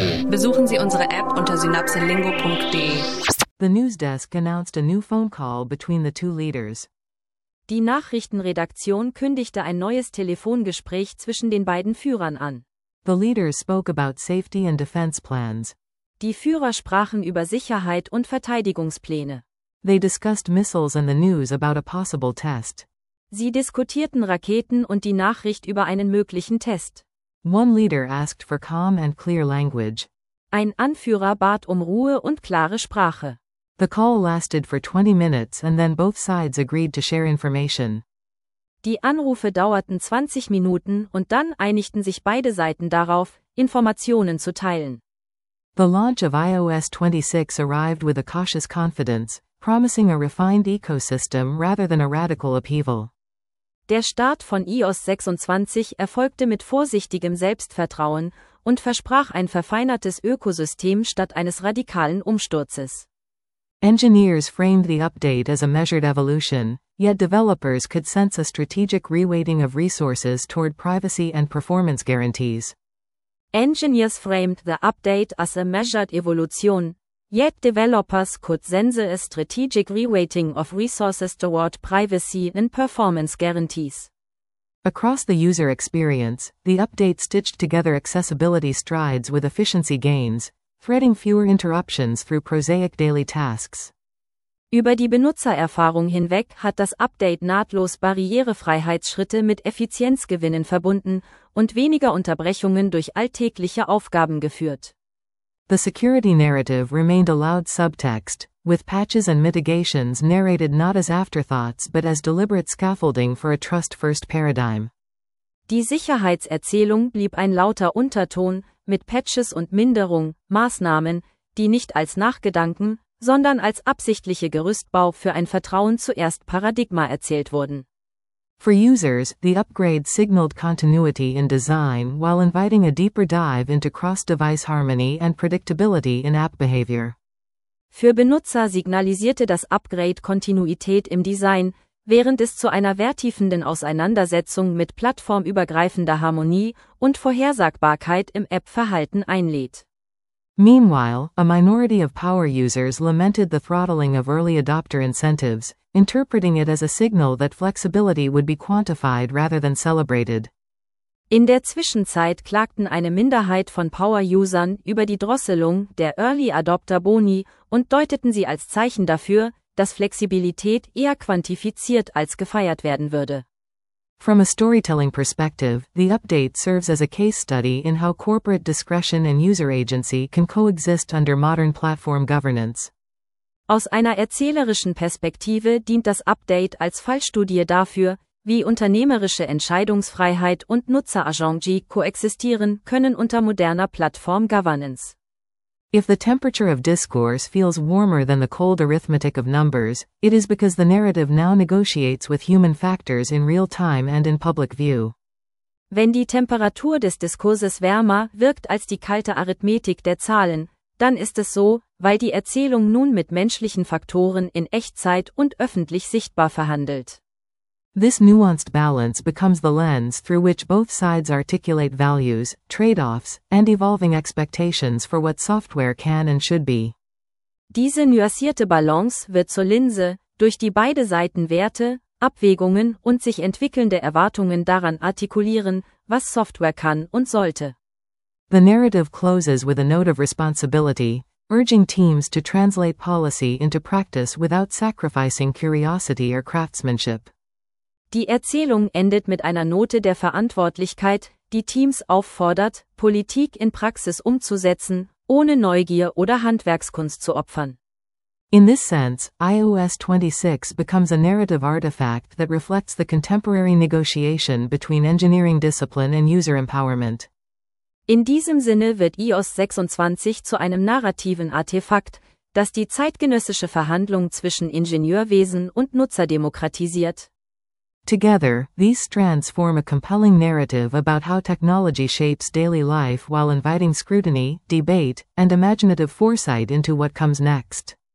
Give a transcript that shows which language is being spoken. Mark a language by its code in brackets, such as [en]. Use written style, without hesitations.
[de] Besuchen Sie unsere App unter synapselingo.de. [en] The news desk announced a new phone call between the two leaders. [de] Die Nachrichtenredaktion kündigte ein neues Telefongespräch zwischen den beiden Führern an. [en] The leaders spoke about safety and defense plans. [de] Die Führer sprachen über Sicherheit und Verteidigungspläne. [en] They discussed missiles and the news about a possible test. [de] Sie diskutierten Raketen und die Nachricht über einen möglichen Test. [en] One leader asked for calm and clear language. [de] Ein Anführer bat um Ruhe und klare Sprache. [en] The call lasted for 20 minutes and then both sides agreed to share information. [de] Die Anrufe dauerten 20 Minuten und dann einigten sich beide Seiten darauf, Informationen zu teilen. [en] The launch of iOS 26 arrived with a cautious confidence, promising a refined ecosystem rather than a radical upheaval. [de] Der Start von iOS 26 erfolgte mit vorsichtigem Selbstvertrauen und versprach ein verfeinertes Ökosystem statt eines radikalen Umsturzes. [en] Engineers framed the update as a measured evolution, yet developers could sense a strategic reweighting of resources toward privacy and performance guarantees. Engineers framed the update as a measured evolution, yet developers could sense a strategic reweighting of resources toward privacy and performance guarantees. Across the user experience, the update stitched together accessibility strides with efficiency gains, threading fewer interruptions through prosaic daily tasks. [de] Über die Benutzererfahrung hinweg hat das Update nahtlos Barrierefreiheitsschritte mit Effizienzgewinnen verbunden und weniger Unterbrechungen durch alltägliche Aufgaben geführt. [en] The security narrative remained a loud subtext, with patches and mitigations narrated not as afterthoughts but as deliberate scaffolding for a trust-first paradigm. [de] Die Sicherheitserzählung blieb ein lauter Unterton, mit Patches und Minderung, Maßnahmen, die nicht als Nachgedanken, sondern als absichtliche Gerüstbau für ein Vertrauen-zuerst-Paradigma erzählt wurden. [en] For users, the upgrade signaled continuity in design while inviting a deeper dive into cross-device harmony and predictability in app behavior. [de] Für Benutzer signalisierte das Upgrade Kontinuität im Design, während es zu einer vertiefenden Auseinandersetzung mit plattformübergreifender Harmonie und Vorhersagbarkeit im App-Verhalten einlädt. [en] Meanwhile, a minority of power users lamented the throttling of early adopter incentives, interpreting it as a signal that flexibility would be quantified rather than celebrated. [de] In der Zwischenzeit klagten eine Minderheit von Power-Usern über die Drosselung der Early-Adopter-Boni und deuteten sie als Zeichen dafür, dass Flexibilität eher quantifiziert als gefeiert werden würde. [en] From a storytelling perspective, the update serves as a case study in how corporate discretion and user agency can coexist under modern platform governance. [de] Aus einer erzählerischen Perspektive dient das Update als Fallstudie dafür, wie unternehmerische Entscheidungsfreiheit und Nutzeragency koexistieren können unter moderner Plattform Governance. [en] If the temperature of discourse feels warmer than the cold arithmetic of numbers, it is because the narrative now negotiates with human factors in real time and in public view. [de] Wenn die Temperatur des Diskurses wärmer wirkt als die kalte Arithmetik der Zahlen, dann ist es so, weil die Erzählung nun mit menschlichen Faktoren in Echtzeit und öffentlich sichtbar verhandelt. [en] This nuanced balance becomes the lens through which both sides articulate values, trade-offs, and evolving expectations for what software can and should be. [de] Diese nuancierte Balance wird zur Linse, durch die beide Seiten Werte, Abwägungen und sich entwickelnde Erwartungen daran artikulieren, was Software kann und sollte. [en] The narrative closes with a note of responsibility, urging teams to translate policy into practice without sacrificing curiosity or craftsmanship. [de] Die Erzählung endet mit einer Note der Verantwortlichkeit, die Teams auffordert, Politik in Praxis umzusetzen, ohne Neugier oder Handwerkskunst zu opfern. [en] In this sense, iOS 26 becomes a narrative artifact that reflects the contemporary negotiation between engineering discipline and user empowerment. [de] In diesem Sinne wird iOS 26 zu einem narrativen Artefakt, das die zeitgenössische Verhandlung zwischen Ingenieurwesen und Nutzer demokratisiert. [en] Together, these strands form a compelling narrative about how technology shapes daily life while inviting scrutiny, debate, and imaginative foresight into what comes next.